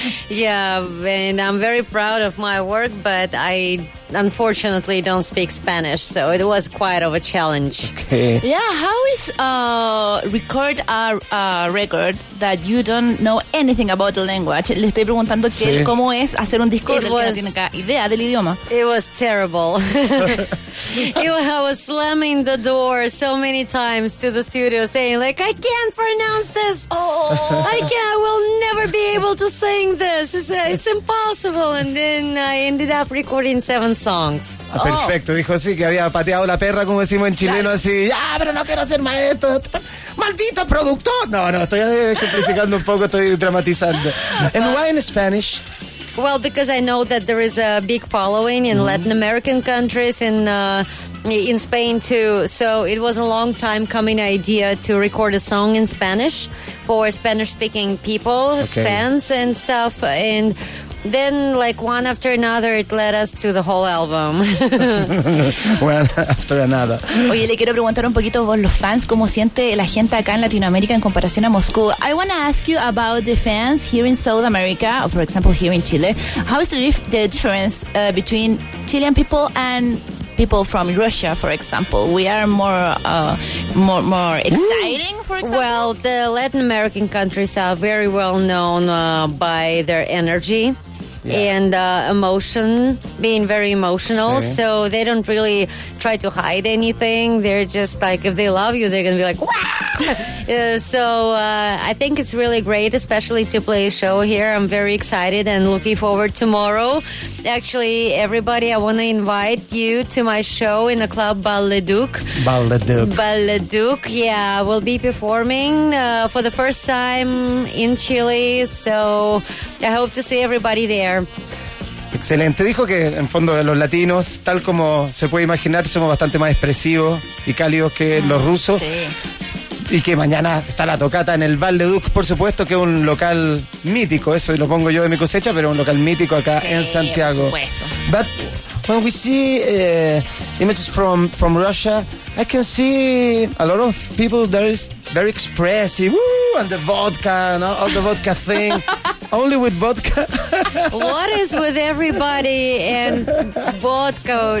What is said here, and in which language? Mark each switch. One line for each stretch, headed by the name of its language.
English: Yeah, and I'm very proud of my work, but I unfortunately don't speak Spanish, so it was quite of a challenge. Okay. Yeah, how is record a record that you don't know anything about the language?
Spanish: Le estoy preguntando que sí. Cómo es hacer un disco del que no tiene acá idea del idioma.
English: It was terrible. I was slamming the door so many times to the studio saying, like, I can't pronounce this. Oh. I will never be able to sing this. It's impossible. And then I ended up recording 7 songs.
Spanish: Ah, perfecto, dijo sí, que había pateado la perra, como decimos en chileno, claro. Así, ya, pero no quiero ser maestro, maldito productor. No, estoy simplificando un poco, estoy dramatizando.
English: And why in Spanish? Well, because I know that there is a big following in Latin American countries, in Spain too. So it was a long time coming idea to record a song in Spanish for Spanish-speaking people, fans and stuff, and then, like, one after another, it led us to the whole album. One after another.
Spanish: Oye, le quiero preguntar un poquito por los fans, ¿cómo siente la gente acá en Latinoamérica en comparación a Moscú?
English: I want to ask you about the fans here in South America, or for example, here in Chile. How is the difference between Chilean people and people from Russia, for example? We are more exciting, for example. Well, the Latin American countries are very well known by their energy. Yeah. And emotion, being very emotional, so they don't really try to hide anything. They're just like, if they love you, they're gonna be like, wow. I think it's really great, especially to play a show here. I'm very excited and looking forward tomorrow. Actually, everybody, I want to invite you to my show in the club Bal Le Duc. Yeah, we'll be performing for the first time in Chile, so I hope to see everybody there.
Spanish: Excelente. Dijo que en fondo los latinos, tal como se puede imaginar, somos bastante más expresivos y cálidos que los rusos. Sí. Y que mañana está la tocata en el Bal Le Duc, por supuesto, que es un local mítico, eso lo pongo yo de mi cosecha, pero un local mítico acá en Santiago. Por supuesto.
English: But when we see images from Russia, I can see a lot of people that is very expressive. Woo, and the vodka and all the vodka thing. Only with vodka. What is with everybody and vodka?